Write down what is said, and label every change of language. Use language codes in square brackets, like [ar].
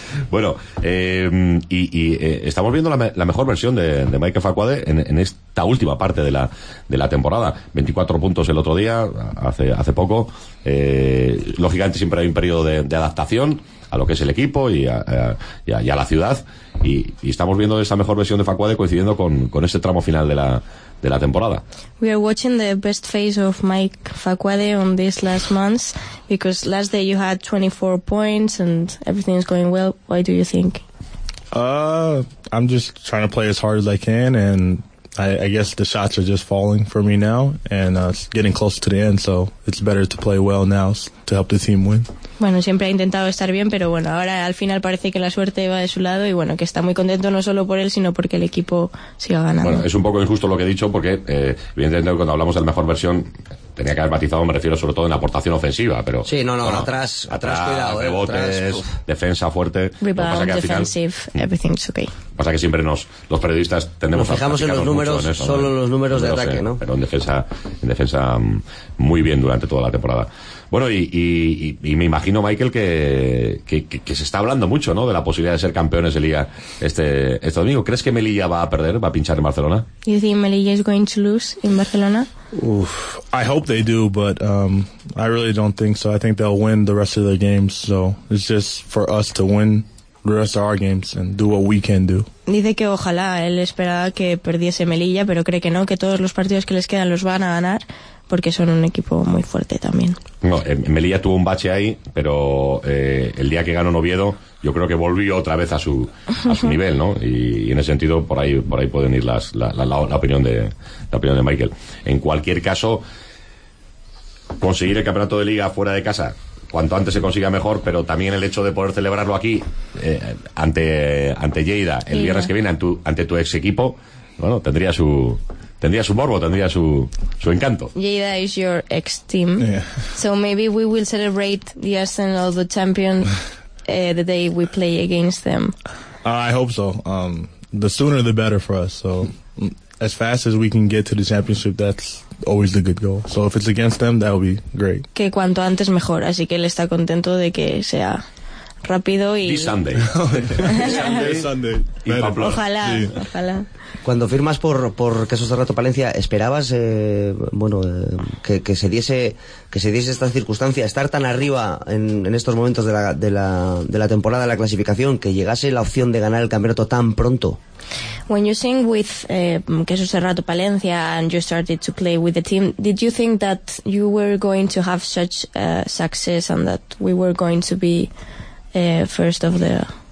[es] Bueno, estamos viendo la mejor versión de Mike Facuade en esta última parte de la temporada. 24 puntos el otro día, hace poco. Lógicamente siempre hay un periodo de adaptación a lo que es el equipo y a la ciudad. Y estamos viendo esa mejor versión de Facuade coincidiendo con este tramo final de la temporada. [en] We are watching the best phase of Mike Facuade on these last months, because last day you had 24 points and everything is going well. Why do you think? I'm just trying to play as hard as I can, and I guess the shots are just falling for me now, and it's getting close to the end, so it's better to play well now to help the team win. [es] Bueno, siempre ha intentado estar bien, pero bueno, ahora al final parece que la suerte va de su lado y bueno, que está muy contento no solo por él, sino porque el equipo siga ganando. Bueno, es un poco injusto lo que he dicho porque, evidentemente, cuando hablamos de la mejor versión, tenía que haber matizado, me refiero sobre todo en la aportación ofensiva, pero... Sí, no, bueno, atrás, cuidado, rebotes, atrás, defensa fuerte... [en] Rebound, [es] pasa que al final, [en] defensive, everything's okay. [es] Pasa que siempre los periodistas tendemos nos fijamos a fijamos en los números, en eso, solo en los números de ataque, ¿no? Pero en defensa muy bien durante toda la temporada. Bueno, y me imagino, Michael, que se está hablando mucho, ¿no?, de la posibilidad de ser campeones de Liga este domingo. ¿Crees que Melilla va a perder, va a pinchar en Barcelona? [en] You think Melilla is going to lose in Barcelona? I hope they do, but I really don't think so. I think they'll win the rest of their games, so it's just for us to win the rest of our games and do what we can do. [es] Dice que ojalá, él esperaba que perdiese Melilla, pero cree que no, que todos los partidos que les quedan los van a ganar, porque son un equipo muy fuerte también. No, Melilla tuvo un bache ahí, pero el día que ganó Oviedo, yo creo que volvió otra vez a su nivel, ¿no? Y en ese sentido, por ahí pueden ir la opinión de Michael. En cualquier caso, conseguir el campeonato de Liga fuera de casa, cuanto antes se consiga mejor, pero también el hecho de poder celebrarlo aquí, ante Lleida, el viernes que viene, ante tu ex equipo, bueno, tendría su morbo, tendría su encanto. [en] Lleida is your ex team. Yeah. So maybe we will celebrate the Arsenal, the champion, the day we play against them. I hope so. The sooner the better for us. So as fast as we can get to the championship, that's always the good goal. So if it's against them, that would be great. [es] Que cuanto antes mejor. Así que él está contento de que sea rápido y... [en] This Sunday. This Sunday. [es] Y ojalá, sí. Ojalá. Cuando firmas por Quesos de Rato Palencia, ¿esperabas que se diese esta circunstancia, estar tan arriba en estos momentos de la temporada, de la clasificación, que llegase la opción de ganar el campeonato tan pronto? [en] When you sing with Quesos de Rato Palencia and you started to play with the team, did you think that you were going to have such success and that we were going to be first of the